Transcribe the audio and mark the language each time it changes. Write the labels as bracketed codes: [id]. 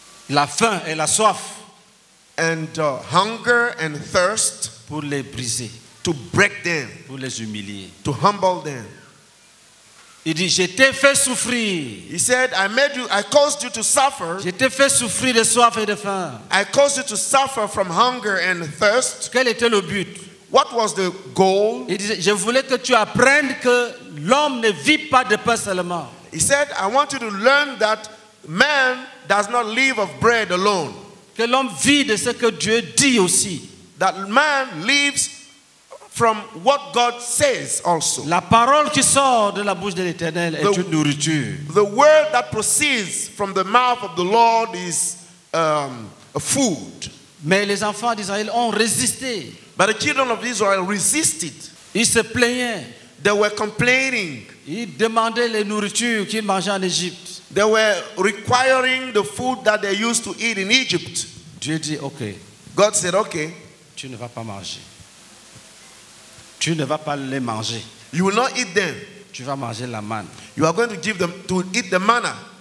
[fr] la faim et la soif, [en] and hunger and thirst, [fr] pour les briser, [en] to break them, [fr] pour les humilier, [en] to humble them. [fr] Il dit, je t'ai fait souffrir. [en] He said, I made you, I caused you to suffer. [fr] Je t'ai fait souffrir de soif et de faim. [en] I caused you to suffer from hunger and thirst. [fr] Quel était le but? [en] What was the goal? [fr] Il dit, je voulais que tu apprennes que l'homme ne vit pas de pain seulement. [en] He said, I want you to learn that man does not live of bread alone. [fr] Que l'homme vit de ce que Dieu dit aussi. [en] That man lives from what God says also. [fr] La parole qui sort de la bouche de l'Éternel est une nourriture. [en] The word that proceeds from the mouth of the Lord is a food. [fr] Mais les enfants d'Israël ont résisté. [en] But the children of Israel resisted. [fr] Ils se plaignaient. [en] They were complaining. [fr] Ils demandaient les nourritures qu'ils mangeaient en Égypte. [en] They were requiring the food that they used to eat in Egypt. [fr] Dieu dit, okay. [en] God said, okay. [fr] Tu ne vas pas manger. Tu ne vas pas les manger. [en] You will not eat them. [fr] Tu vas manger la manne. [en] You are going to give them to eat the manna.